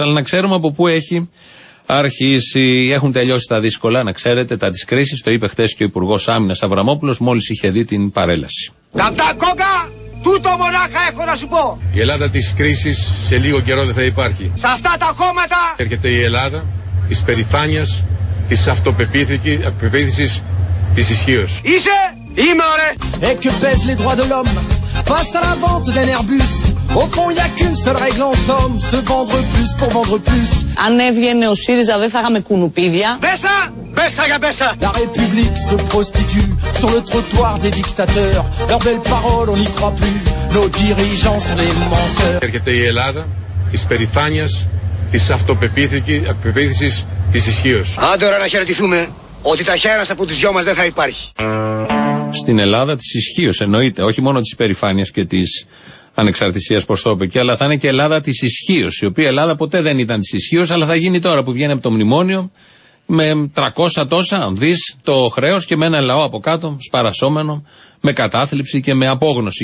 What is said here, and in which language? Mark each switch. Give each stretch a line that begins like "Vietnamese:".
Greek: Αλλά να ξέρουμε από πού έχει. Αρχίσει, έχουν τελειώσει τα δύσκολα, να ξέρετε, τα της κρίσης, το είπε χτες και ο Υπουργός Άμυνας Αβραμόπουλος, μόλις είχε δει την παρέλαση. Κατά κόκα, τούτο μονάχα έχω να σου πω. Η Ελλάδα της κρίσης σε λίγο καιρό δεν θα υπάρχει. Σε αυτά τα χώματα έρχεται η Ελλάδα της περηφάνειας, της αυτοπεποίθησης, της ισχύως. Είσαι, είμαι ωρε.
French: Et que pèse les droits de l'homme face à la vente d'un Airbus. Au fond, y a qu'une seule règle en somme, se vendre plus pour vendre plus.
Greek: Αν έβγαινε ο ΣΥΡΙΖΑ, δεν θα είχαμε κουνουπίδια. Μέσα! Μέσα για μέσα!
French: La République se prostitue sur le trottoir des dictateurs. Leurs belles paroles, on n'y croit plus. Nos dirigeants sont des menteurs.
Greek: Έρχεται η Ελλάδα της περηφάνειας, της αυτοπεποίθησης, της ισχύως. Άντε ώρα να χαιρετηθούμε ότι τα χέρια από τους δυο μας δεν θα υπάρχει. Στην Ελλάδα της ισχύως, εννοείται. Όχι μόνο της περηφάνειας και της ανεξαρτησίας, πώς το είπε και, αλλά θα είναι και Ελλάδα της ισχύως, η οποία Ελλάδα ποτέ δεν ήταν της ισχύως, αλλά θα γίνει τώρα που βγαίνει από το μνημόνιο με 300 τόσα δις το χρέος και με ένα λαό από κάτω, σπαρασόμενο, με κατάθλιψη και με απόγνωση.